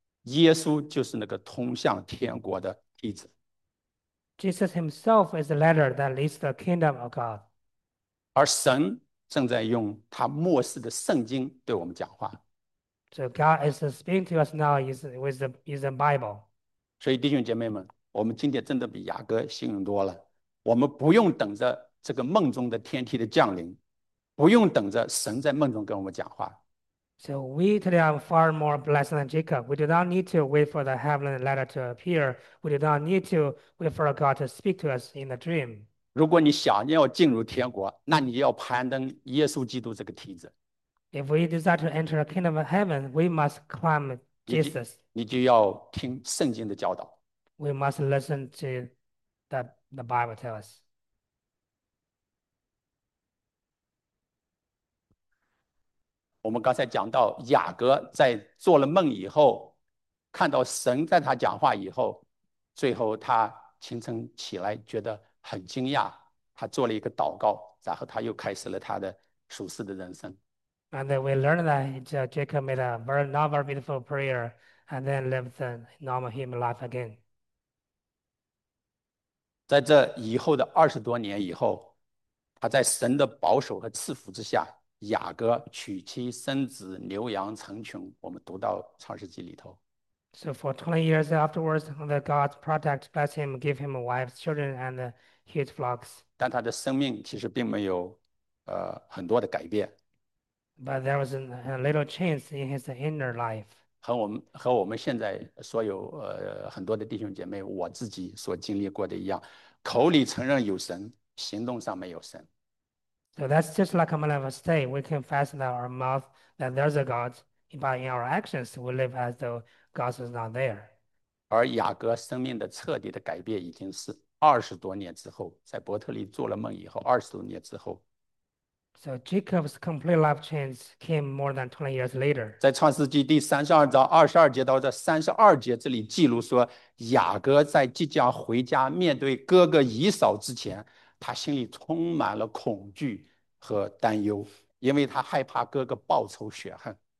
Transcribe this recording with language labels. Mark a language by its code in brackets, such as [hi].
[zh] 耶稣就是那个通向天国的梯子， [en] Jesus himself is the ladder that leads the kingdom of God. [zh] 而神正在用他末世的圣经对我们讲话。 [en] So God is speaking to us now with the Bible. [zh] 所以弟兄姐妹们，我们今天真的比雅各幸运多了。我们不用等着这个梦中的天梯的降临，不用等着神在梦中跟我们讲话。 [en] So we today are far more blessed than Jacob. We do not need to wait for the heavenly ladder to appear. We do not need to wait for God to speak to us in the dream. [zh] 如果你想要进入天国，那你要攀登耶稣基督这个梯子， [en] If we desire to enter the kingdom of heaven, we must climb Jesus. [zh] 你就要听圣经的教导。 [en] We must listen to the Bible tell us. [zh] 我们刚才讲到雅各在做了梦以后，看到神在他讲话以后，最后他清晨起来觉得很惊讶，他做了一个祷告，然后他又开始了他的属世的人生。 [en] And then we learned that Jacob made a very novel, beautiful prayer and then lived a normal human life again. [zh] 在这以后的20多年以后，他在神的保守和赐福之下，雅各娶妻生子，牛羊成群。我们读到创世纪里头。 [en] So for 20 years afterwards, the God protect, bless him, give him a wife, children, and huge flocks. [zh] 但他的生命其实并没有，很多的改变。 [en] But there was a little change in his inner life. [zh] 和我们现在所有很多的弟兄姐妹，我自己所经历过的一样，口里承认有神，行动上没有神。 [en] So that's just like a man of a state. We confess in our mouth that there's a God, but in our actions, we live as though God is not there. [zh] 而雅各生命的彻底的改变已经是20多年之后，在伯特利做了梦以后，20多年之后， [en] So Jacob's complete life change came more than 20 years later. [zh] 在创世纪第32章22节到这32节，这里记录说，雅各在即将回家面对哥哥以扫之前，他心里充满了恐惧和担忧，因为他害怕哥哥报仇雪恨。